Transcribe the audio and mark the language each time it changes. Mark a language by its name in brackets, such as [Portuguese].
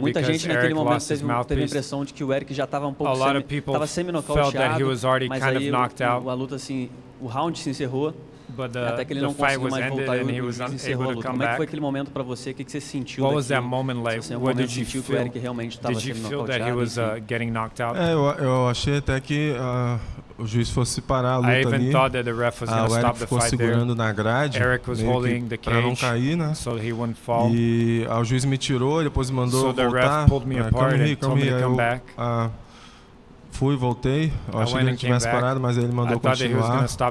[Portuguese] Muita gente naquele momento teve a impressão de que o Eryk já estava um pouco semi-nocauteado, mas aí a luta assim, o round se encerrou. [English] But [Portuguese] Como é que foi aquele momento para você? O que você sentiu? [English] What was that moment like? Where did you feel? Did you feel that he was getting knocked out? [Portuguese] Eu achei até que o juiz fosse parar a luta ali. [English] I even thought that the ref was going to stop the fight there. [Portuguese] Segurando na grade. [English] Eryk was holding the cage. [Portuguese] Para não cair, né? [English] So he wouldn't fall. [Portuguese] E o juiz me tirou, depois me mandou voltar. [English] So the ref pulled me apart and told me to come back. [Portuguese] Fui, voltei, eu achei que ele tivesse parado, mas ele mandou continuar.